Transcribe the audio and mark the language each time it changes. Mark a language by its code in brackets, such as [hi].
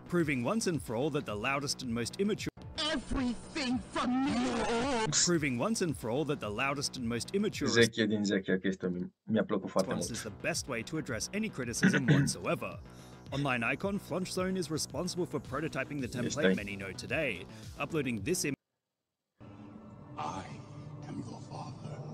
[en] Proving once and for all that the loudest and most immature everything from you. Proving once and for all that the loudest and most immature. [ro] 10 din 10, chestia mi-a plăcut foarte mult. [en] Is the best way to address any criticism whatsoever. Online icon Flunchzone is responsible for prototyping the template many know today, uploading this image. I am your father.